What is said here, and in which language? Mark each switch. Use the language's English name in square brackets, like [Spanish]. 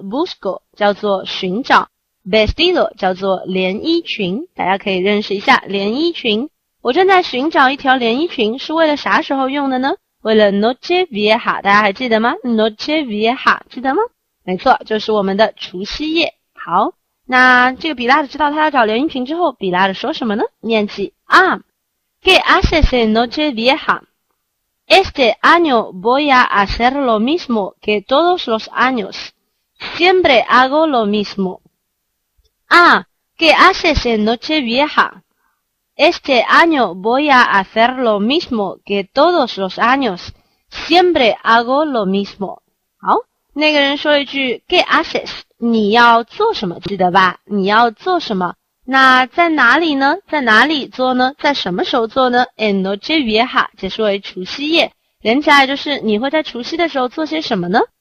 [Chinese] Busco 叫做寻找 ，vestido 叫做连衣裙，大家可以认识一下连衣裙。我正在寻找一条连衣裙，是为了啥时候用的呢？为了 noche vieja， 大家还记得吗 ？noche vieja 记得吗？没错，就是我们的除夕夜。好。那这个比拉的知道他要找连衣裙之后，比拉的说什么呢？念起啊 [Spanish] ，¿Qué haces en noche vieja? Este año voy a hacer lo mismo que todos los años. Siempre hago lo mismo. Ah, ¿Qué haces en noche vieja? Este año voy a hacer lo mismo que todos los años. Siempre hago lo mismo. [Chinese] 好，那个人说一句 [Spanish] ¿Qué haces? [Chinese] 你要做什么记得吧，你要做什么，那在哪里呢，在哪里做呢，在什么时候做呢？ [Spanish] En noche vieja [Chinese] 解释为除夕夜，连起来就是你会在除夕的时候做些什么呢？